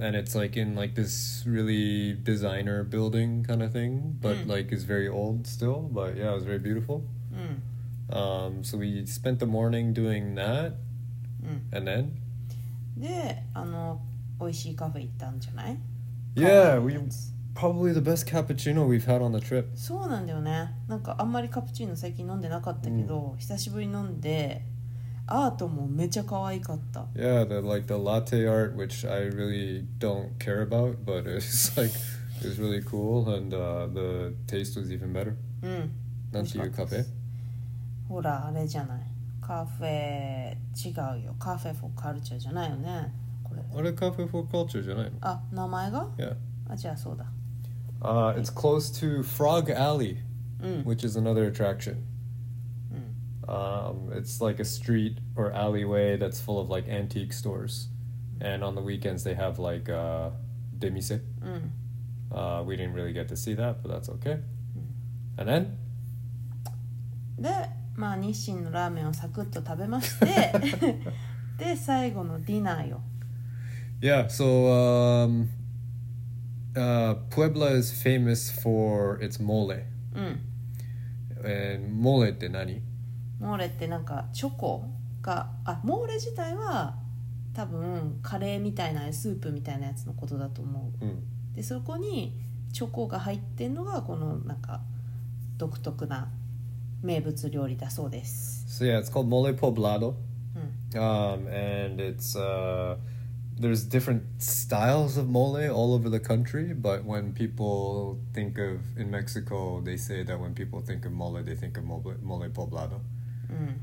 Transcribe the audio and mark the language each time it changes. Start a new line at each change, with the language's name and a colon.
English: And it's like in like this really designer building kind of thing, but like it's very old still, but yeah, it was very beautiful. So we spent the morning doing that, and then?
Japanese: で、あの、美味しいカフェ行ったんじゃない?
English: Yeah, we probably the best cappuccino we've had on the trip.
Japanese: そうなんだよね。なんかあんまりカプチーノ最近飲んでなかったけど、久しぶり飲んで、アートもめちゃ可愛かった。
English: Yeah, the like the latte art, which I really don't care about, but it's like it's really cool and the taste was even better.
Japanese: なんていうカフェ？ほらあれじゃない。カフェ違うよ。カフェ for culture じゃないよね。これ。あれカフェ for culture じゃないの？あ、名前が？
English: Yeah.
Japanese: あ、じゃあそうだ。
English: It's close to Frog Alley, which is another attraction. It's like a street or alleyway that's full of like antique stores, and on the weekends they have like demise. We didn't really get to see that, but that's okay. And then,
Japanese: で、まあ日清のラーメンをサクッと食べまして、で最後のディナーよ。
English: Yeah, so Puebla is famous for its mole.
Japanese: And mole って何？モーレってなんかチョコがあモーレ自体は多分カレーみたいなスープみたいなやつのことだと思う、でそこにチョコが入ってんのがこのなんか独特な名物料理だそうです。
English: So yeah, it's called mole poblado、
Japanese: うん
English: and it's there's different styles of mole all over the country, but when people think of, in Mexico, they say that when people think of mole, they think of mole poblado, mm.